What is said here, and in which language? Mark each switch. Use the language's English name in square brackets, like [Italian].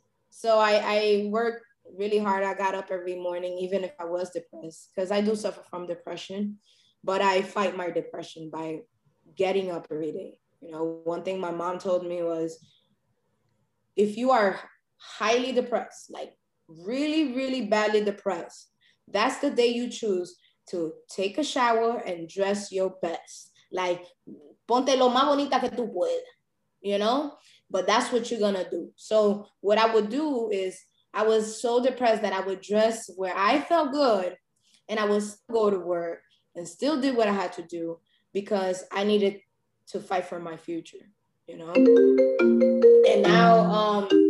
[English] So I worked really hard. I got up every morning, even if I was depressed, because I do suffer from depression, but I fight my depression by getting up every day. You know, one thing my mom told me was, if you are highly depressed, like really, really badly depressed, that's the day you choose to take a shower and dress your best. [Spanish] Like, ponte lo más bonita que tú puedas, [English] you know? But that's what you're gonna do. So what I would do is, I was so depressed that I would dress where I felt good, and I would still go to work and still do what I had to do, because I needed to fight for my future, you know? And now,